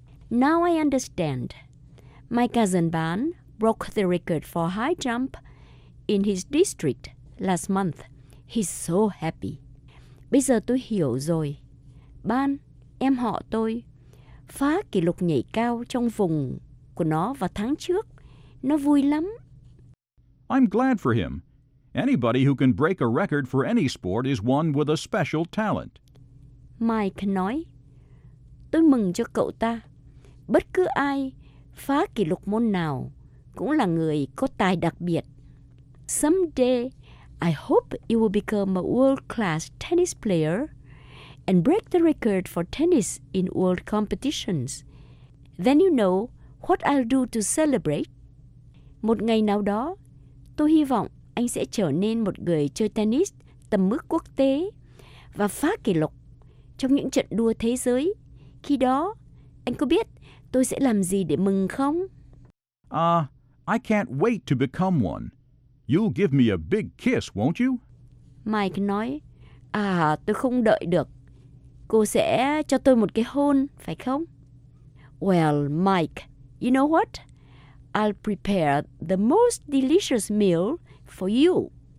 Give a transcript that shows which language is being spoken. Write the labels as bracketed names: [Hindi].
[English] Now I understand. Mike Azenban broke the record for high jump in his district last month. He's so happy. [Vietnamese] Bây giờ tôi hiểu rồi. Ban, em họ tôi, phá kỷ lục nhảy cao trong vùng của nó vào tháng trước. Nó vui lắm. [English] I'm glad for him. Anybody who can break a record for any sport is one with a special talent. [Vietnamese] Mike nói, tôi mừng cho cậu ta. Bất cứ ai phá kỷ lục môn nào cũng là người có tài đặc biệt. [English] Someday, I hope you will become a world-class tennis player and break the record for tennis in world competitions. Then you know what I'll do to celebrate. [Vietnamese] Một ngày nào đó, tôi hy vọng anh sẽ trở nên một người chơi tennis tầm mức quốc tế và phá kỷ lục trong những trận đua thế giới. Khi đó, anh có biết tôi sẽ làm gì để mừng không? [English] I can't wait to become one. You'll give me a big kiss, won't you? [Vietnamese] Mike nói, tôi không đợi được. Cô sẽ cho tôi một cái hôn, phải không? [English] Well, Mike, you know what? I'll prepare the most delicious meal for you.